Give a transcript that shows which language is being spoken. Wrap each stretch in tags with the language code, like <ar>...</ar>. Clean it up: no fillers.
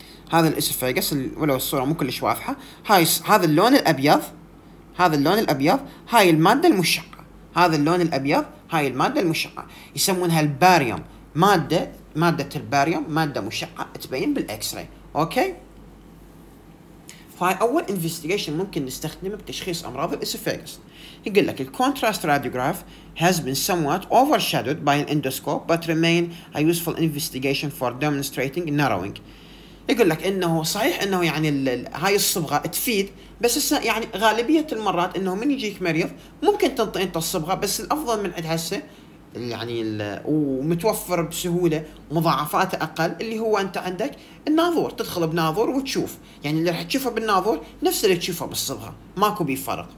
<ar>هذا الاسفاجس ولو الصوره مو كلش واضحه، هاي هذا اللون الابيض، هذا اللون الابيض، هاي الماده المشقه، هذا اللون الابيض، هاي الماده المشقه، يسمونها الباريوم، ماده الباريوم ماده مشقه تبين بالاكس راي. اوكي، فهاي اول انفستيجيشن ممكن نستخدمه بتشخيص امراض الاسفاجس. يقول لك</ar> <en>الكونتراست radiograph has been somewhat overshadowed by an endoscope but remain a useful investigation for demonstrating narrowing.</en> <ar>يقول لك انه صحيح انه يعني هاي الصبغه تفيد، بس يعني غالبيه المرات انه من يجيك مريض ممكن تنطي انت الصبغه، بس الافضل من عند هسه يعني ومتوفر بسهوله مضاعفات اقل، اللي هو انت عندك الناظور، تدخل بناظور وتشوف، يعني اللي راح تشوفه بالناظور نفس اللي تشوفه بالصبغه، ماكو بيفرق.</ar>